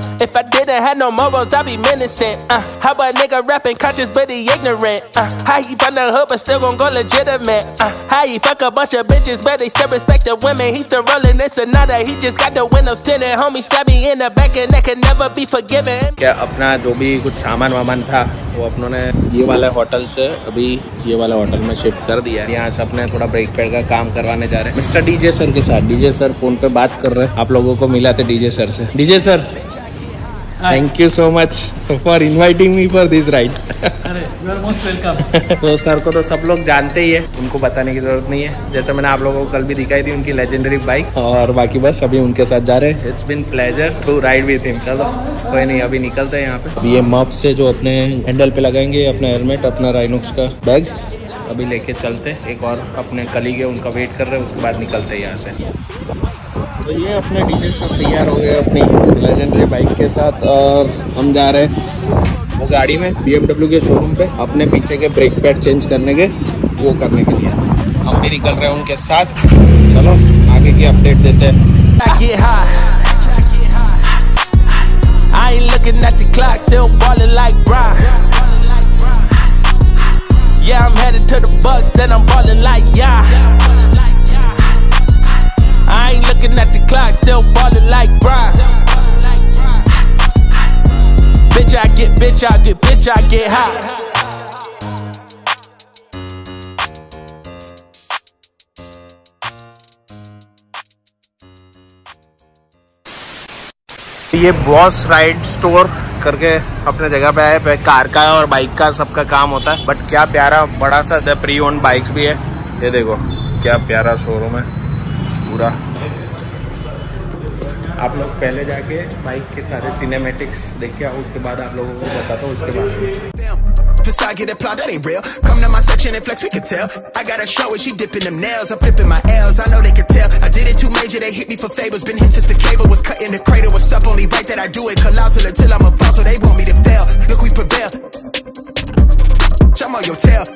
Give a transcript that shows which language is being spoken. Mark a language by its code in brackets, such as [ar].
[en] If I didn't have no morals, I'd be menacing. How about nigga rapping conscious, but he ignorant? How he from the hood, but still gon' go legitimate? How he fuck a bunch of bitches, but they still respect the women? He's still rolling in Sonata, he just got the windows tinted. Homie stabbed me in the back, and that can never be forgiven. [hi] क्या अपना जो भी कुछ सामान वामान था वो अपनों ने ये वाले होटल से अभी ये वाले होटल में शिफ्ट कर दिया है। यहाँ से अपने थोड़ा ब्रेक पैड का काम करवाने जा रहे हैं मिस्टर डीजे सर के साथ। डीजे सर फोन पे बात कर रहे हैं, आप लोगों को मिला थे डीजे सर से। [en] DJ sir thank you so much for inviting me for this ride. [hi] तो सर को तो सब लोग जानते ही है, उनको बताने की जरूरत नहीं है। जैसे मैंने आप लोगों को कल भी दिखाई थी उनकी लेजेंडरी बाइक, और बाकी बस अभी उनके साथ जा रहे हैं। [en] It's been pleasure to ride with him. [hi] चलो कोई नहीं, अभी निकलते हैं यहाँ पे। अभी ये मफ से जो अपने हैंडल पे लगाएंगे अपना हेलमेट, अपना राइनोक्स का बैग अभी लेके चलते। एक और अपने कलीग है उनका वेट कर रहे हैं, उसके बाद निकलते हैं यहाँ से। तो ये अपने डीजे सब तैयार हो गए अपनी लेजेंडरी बाइक के साथ, और हम जा रहे हैं वो गाड़ी में BMW के शोरूम पे अपने पीछे के ब्रेक पैड चेंज करने के वो करने के लिए। हम भी निकल रहे हैं उनके साथ, चलो आगे की अपडेट देते हैं। [en] I ain't looking at the clock, still ballin' like Brian. Yeah, I'm headed to the bus, then I'm ballin' like yeah. I ain't looking at the clock, still ballin' like Brian. Bitch, I get, bitch, I get, bitch, I get hot. [hi] ये boss ride store करके अपने जगह पे आए। Car का और bike का सबका काम होता है, बट क्या प्यारा बड़ा सा प्री ओन बाइक्स भी है। ये देखो क्या प्यारा शोरूम है पूरा। आप लोग पहले जाके बाइक के सारे सिनेमेटिक्स देखिए, उसके बाद आप लोगों को बताता हूँ उसके बारे में। [en] Side get a plot that ain't real. Come to my section and flex, we can tell. I got a show and she dipping them nails. I'm flipping my L's, I know they can tell. I did it too major, they hit me for favors. Been him since the cable was cut in the cradle. What's up, only right that I do it colossal until I'm a boss, so they want me to fail. Look, we prevail. Jump on your tail.